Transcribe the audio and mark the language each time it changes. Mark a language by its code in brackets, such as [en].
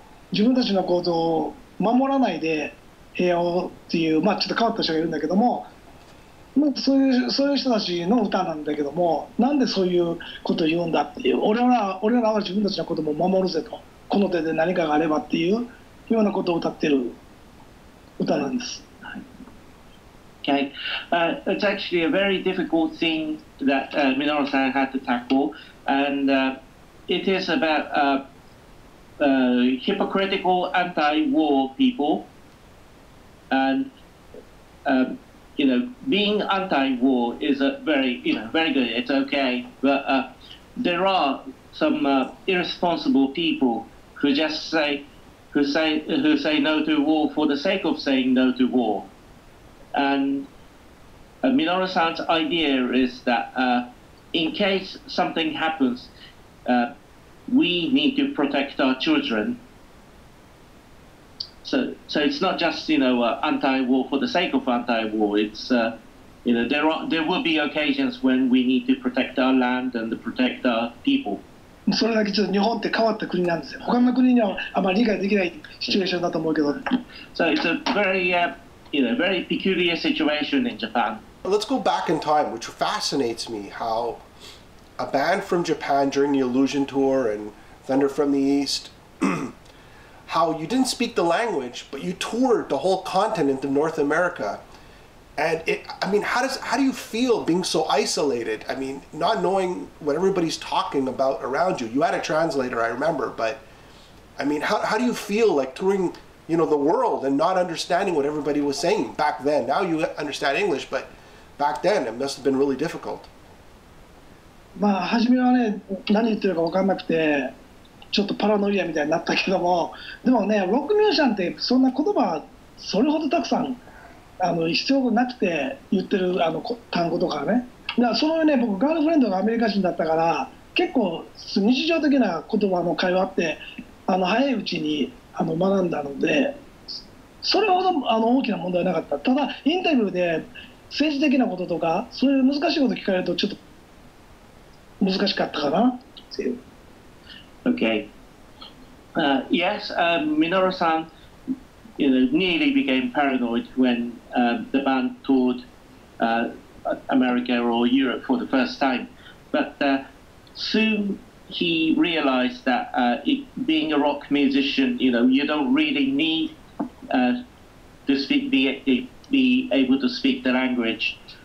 [ja] 自分たちの行動を守らないで、平和をっていう、まあ、ちょっと変わった人がいるんだけども、まあ、そういう人たちの歌なんだけども、なんでそういうことを言うんだっていう、俺らは自分たちのことも守るぜと、この手で何かがあればっていうようなことを歌ってる歌なんです。 [en] Okay, it's actually a very difficult thing that Minoru-san had to tackle, and it is about hypocritical anti-war peopleAnd, you know, being anti-war is a very, you know, very good, it's okay. But there are some irresponsible people who just say, who say no to war for the sake of saying no to war. And Minoru-san's idea is that in case something happens, we need to protect our children. So it's not just, you know, anti-war for the sake of anti-war. It's, you know, there will be occasions when we need to protect our land and protect our people. [ja] それだけ、ちょっと日本って変わった国なんですよ。他の国にはあまり理解できないシチュエーションだと思うけど。 [en] So it's a very, you know, very peculiar situation in Japan. Let's go back in time, which fascinates me, how a band from Japan during the Illusion Tour and Thunder from the East... how you didn't speak the language, but you toured the whole continent of North America. And it, I mean, how do you feel being so isolated? I mean, not knowing what everybody's talking about around you. You had a translator, I remember, but I mean, how do you feel like touring, you know, the world and not understanding what everybody was saying back then? Now you understand English, but back then it must have been really difficult. [ja] まあ、初めはね、何言ってるか分かんなくて、ちょっとパラノイアみたいになったけども、でもね、ロックミュージシャンってそんな言葉それほどたくさん必要なくて言ってる単語とかね、だからそのね、僕ガールフレンドがアメリカ人だったから結構日常的な言葉の会話って早いうちに学んだので、それほど大きな問題はなかった。ただインタビューで政治的なこととかそういう難しいこと聞かれるとちょっと難しかったかなっていう。 [en] Okay. Yes, Minoru-san, you know, nearly became paranoid when the band toured America or Europe for the first time. But soon he realized that it, being a rock musician, you know, you don't really need to speak, be able to speak the language.